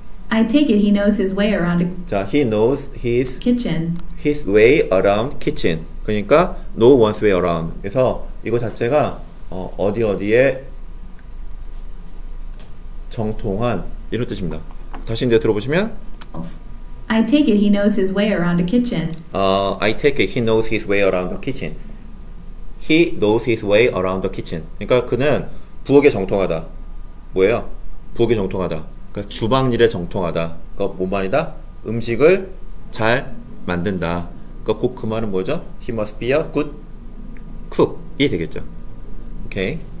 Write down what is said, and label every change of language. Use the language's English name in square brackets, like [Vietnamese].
[English] I take it he knows his way around. 자, he knows his kitchen. His way around kitchen. [Korean] 그러니까 [English] no one's way around. [Korean] 그래서 이거 자체가 어디 어디에 정통한 이런 뜻입니다. 다시 이제 들어보시면 [English] I take it he knows his way around the kitchen. I take it he knows his way around the kitchen. He knows his way around the kitchen. [Korean] 그러니까 그는 부엌에 정통하다. 뭐예요? 부엌에 정통하다. 그러니까 주방일에 정통하다. 그러니까 뭔 말이다? 음식을 잘 만든다. 그러니까 꼭 그 말은 뭐죠? [English] He must be a good cook. [Korean] 이 되겠죠. 오케이.